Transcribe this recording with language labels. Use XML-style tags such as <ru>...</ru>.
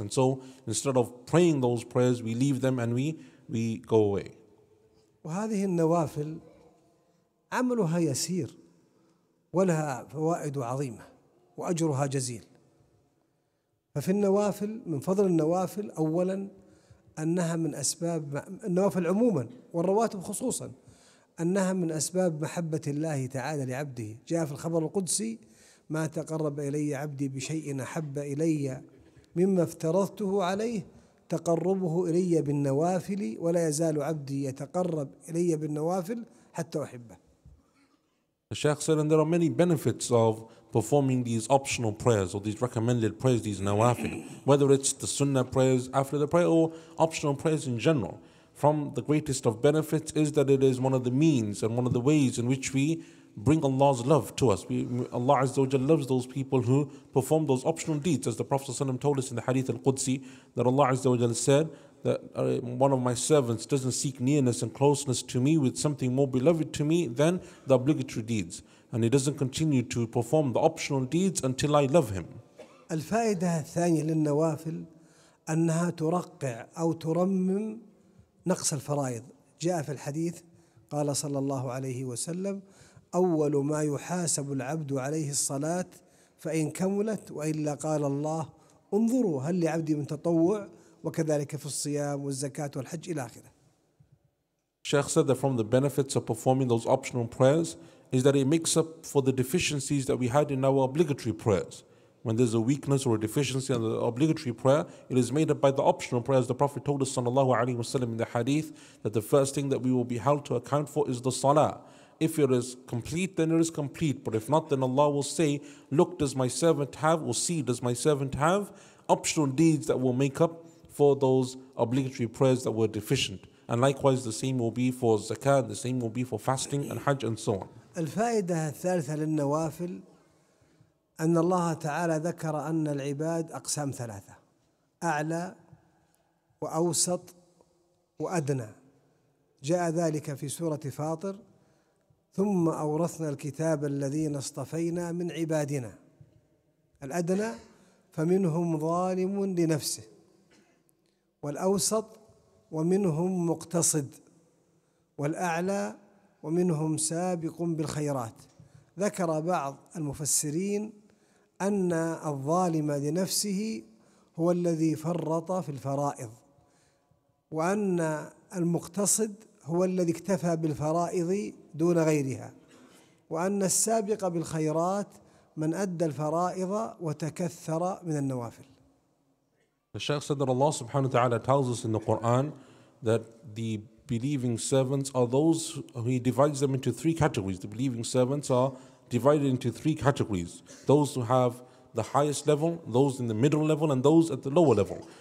<en>And so instead of praying those prayers, we leave them and we go away.</en> <ar>وهذه النوافل عملها يسير ولها فوائد عظيمة وأجرها جزيل. ففي النوافل من فضل النوافل أولا أنها من أسباب النوافل عموما والرواتب خصوصا أنها من أسباب محبة الله تعالى لعبده. جاء في الخبر القدسي ما تقرب إلي عبدي بشيء أحب إلي مما افترضته عليه تقربه إلي بالنوافل ولا يزال عبدي يتقرب إلي بالنوافل حتى أحبه.</ar> <en>The Shaykh said, and there are many benefits of performing these optional prayers or these recommended prayers, these nawafil, whether it's the sunnah prayers after the prayer or optional prayers in general. From the greatest of benefits is that it is one of the means and one of the ways in which we bring Allah's love to us. Allah Azza wa Jalla loves those people who perform those optional deeds. As the Prophet ﷺ told us in the Hadith al-Qudsi, that Allah Azza wa Jalla said, that one of my servants doesn't seek nearness and closeness to me with something more beloved to me than the obligatory deeds. And he doesn't continue to perform the optional deeds until I love him.</en> <ar>الفائدة الثانية للنوافل أنها ترقع أو ترمم نقص الفرائض. جاء في الحديث قال صلى الله عليه وسلم أول ما يحاسب العبد عليه الصلاة فإن كملت وإلا قال الله انظروا هل لعبدي من تطوع وكذلك في الصيام والزكاة والحج إلى آخره.</ar> <en>Shaykh said that from the benefits of performing those optional prayers is that it makes up for the deficiencies that we had in our obligatory prayers. When there's a weakness or a deficiency in the obligatory prayer, it is made up by the optional prayers. The Prophet told us sallallahu alaihi wasallam in the hadith that the first thing that we will be held to account for is the salah. If it is complete, then it is complete. But if not, then Allah will say, look, does my servant have, or see, does my servant have optional deeds that will make up for those obligatory prayers that were deficient. And likewise, the same will be for zakah, the same will be for fasting and hajj and so on.</en> <ar>الفائدة الثالثة للنوافل أن الله تعالى ذكر أن العباد أقسام ثلاثة أعلى وأوسط وأدنى. جاء ذلك في سورة فاطر ثم أورثنا الكتاب الذين اصطفينا من عبادنا الأدنى فمنهم ظالم لنفسه والأوسط ومنهم مقتصد والأعلى ومنهم سابق بالخيرات. ذكر بعض المفسرين أن الظالم لنفسه هو الذي فرط في الفرائض وأن المقتصد هو الذي اكتفى بالفرائض دون غيرها وأن السابق بالخيرات من أدى الفرائض وتكثر من النوافل.</ar> <en>The Shaykh said that Allah subhanahu wa ta'ala tells us in the Quran that the believing servants are those, he divides them into three categories. The believing servants are divided into three categories. Those who have the highest level, those in the middle level, and those at the lower level.</en>